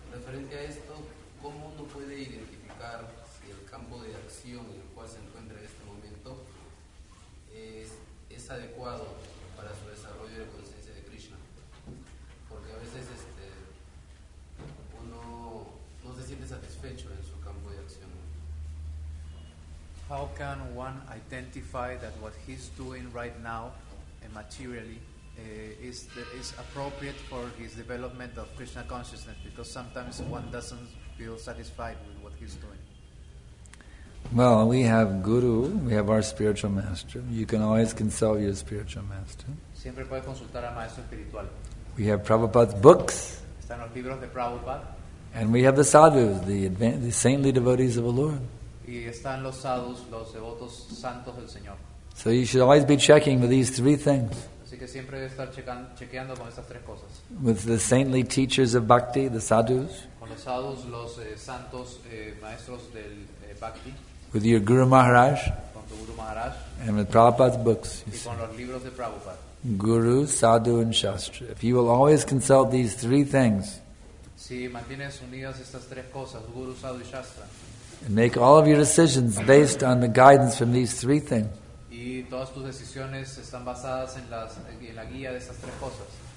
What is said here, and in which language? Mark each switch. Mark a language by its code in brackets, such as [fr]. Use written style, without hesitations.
[es] Frente a esto, ¿cómo uno puede identificar si el campo de acción en el cual se encuentra en este momento es adecuado para su desarrollo de conciencia de Krishna? Porque a veces uno no se siente satisfecho en su campo de acción. [en] How can one identify that what he's doing right now, materially, is appropriate for his development of Krishna consciousness? Because sometimes one doesn't feel satisfied with what he's doing. Well, we have Guru, we have our spiritual master. You can always consult your spiritual master. [es] Siempre puede consultar al maestro espiritual. [en] We have Prabhupada's books. [es] Están los libros de Prabhupada. [en] And we have the sadhus, the saintly devotees of the Lord. [es] Y están los sadhus, los devotos santos del Señor. [en] So you should always be checking with these three things. [es] Así que siempre debe estar chequeando con estas tres cosas. [en] With the saintly teachers of bhakti, the sadhus. [es] Con los sadhus, los santos maestros del bhakti. [en] With your Guru Maharaj. [es] Con tu Guru Maharaj. [en] And with Prabhupada's books. [es] Y con los libros de Prabhupada. [en] Guru, sadhu, and shastra. If you will always consult these three things. [es] Si mantienes unidas estas tres cosas, Guru, sadhu, y shastra. [en] And make all of your decisions based on the guidance from these three things. [es] Y todas tus decisiones están basadas en la guía de estas tres cosas.